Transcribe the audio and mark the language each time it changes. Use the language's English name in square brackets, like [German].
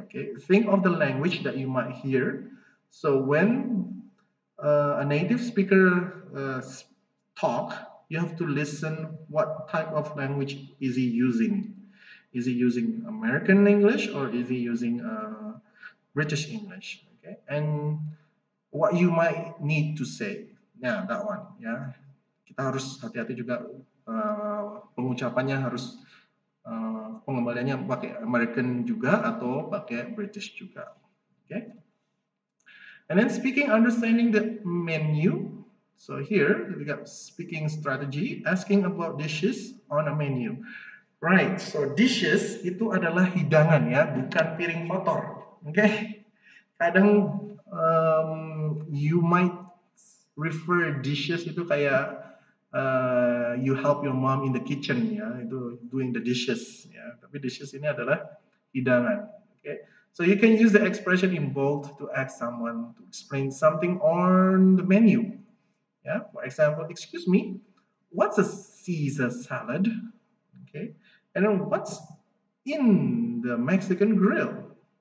[English] Okay, think of the language that you might hear. So when a native speaker talk, you have to listen what type of language is he using. Is he using American English or is he using British English? Okay, and what you might need to say. Yeah, that one. [Indonesian] Yeah, kita harus hati-hati juga pengucapannya harus pengembaliannya pakai American juga atau pakai British juga. [English] Okay. And then speaking, understanding the menu. So here we got speaking strategy, asking about dishes on a menu. Right. [Indonesian] So dishes itu adalah hidangan, ya, bukan piring kotor. [English] Okay. [Indonesian] Kadang [English] you might refer dishes [Indonesian] itu kayak [English] you help your mom in the kitchen, [Indonesian] ya, itu [English] doing the dishes, ya. [Indonesian] Tapi dishes ini adalah hidangan. [English] Okay. So you can use the expression in bold to ask someone to explain something on the menu. Yeah, for example, excuse me, what's a Caesar salad? Okay, and then what's in the Mexican grill?